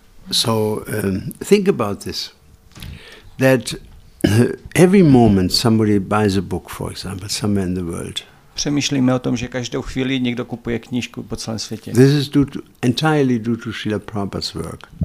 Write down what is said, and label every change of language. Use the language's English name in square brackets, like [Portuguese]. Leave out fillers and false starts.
[English] So think about this, that every moment somebody buys a book, for example, somewhere in the world. [Czech] Přemýšlíme o tom, že každou chvíli někdo kupuje knížku po celém světě. [English] This is entirely due to Srila Prabhupada's work.